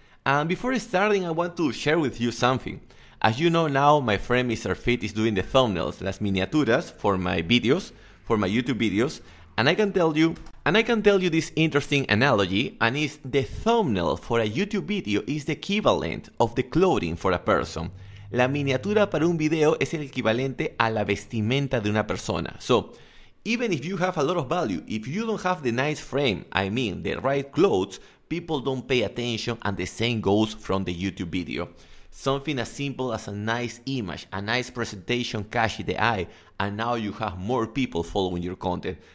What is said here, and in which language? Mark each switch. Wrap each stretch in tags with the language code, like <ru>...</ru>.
<en>And before starting, I want to share with you something. As you know now, my friend Mr. Fit is doing the thumbnails,</en> <es>las miniaturas</es> <en>for my videos, for my YouTube videos. And I can tell you this interesting analogy, and it's the thumbnail for a YouTube video is the equivalent of the clothing for a person.</en> <es>La miniatura para un video es el equivalente a la vestimenta de una persona.</es> <en>So, even if you have a lot of value, if you don't have the nice frame, I mean the right clothes, people don't pay attention, and the same goes from the YouTube video. Something as simple as a nice image, a nice presentation catches the eye, and now you have more people following your content.</en>